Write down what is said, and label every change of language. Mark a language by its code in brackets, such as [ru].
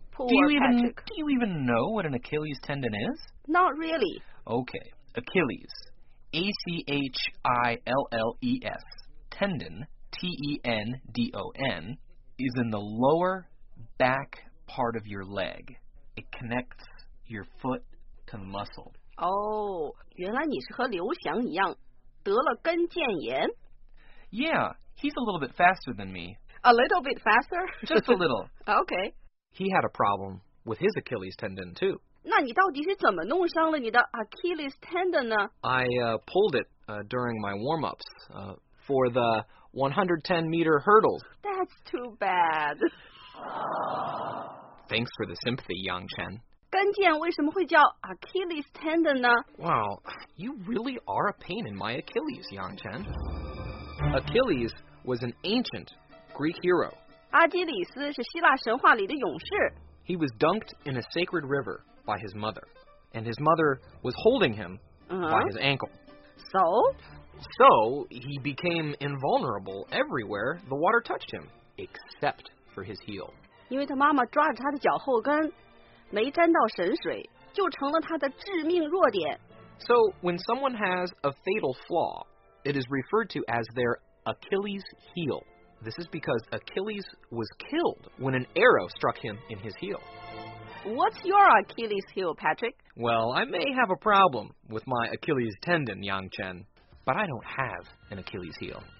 [en] Do you even know what an Achilles tendon is? Not really. Okay, Achilles. A-C-H-I-L-L-E-S. Tendon, T-E-N-D-O-N, is in the lower back part of your leg. It connects your foot to the muscle. [zh] Oh, 原来你是和刘翔一样得了跟腱炎? [en] Yeah, he's a little bit faster than me. A little bit faster? Just a little. Okay. He had a problem with his Achilles tendon, too. [zh] 那你到底是怎么弄伤了你的 Achilles tendon 呢? [en] I pulled it during my warm-ups for the 110-meter hurdles. That's too bad. Thanks for the sympathy, Yang Chen. [zh] 跟腱为什么会叫 Achilles tendon 呢? [en] Wow, you really are a pain in my Achilles, Yang Chen. Achilles was an ancient Greek hero. [zh] 阿基里斯是希腊神话里的勇士。 [en] He was dunked in a sacred river by his mother, and his mother was holding him、by his ankle. So? So, he became invulnerable everywhere the water touched him, except for his heel. [zh] 因为他妈妈抓着他的脚后跟，没沾到神水，就成了他的致命弱点。 [en] So, when someone has a fatal flaw, it is referred to as their Achilles heel. This is because Achilles was killed when an arrow struck him in his heel. What's your Achilles heel, Patrick? Well, I may have a problem with my Achilles tendon, Yang Chen, but I don't have an Achilles heel.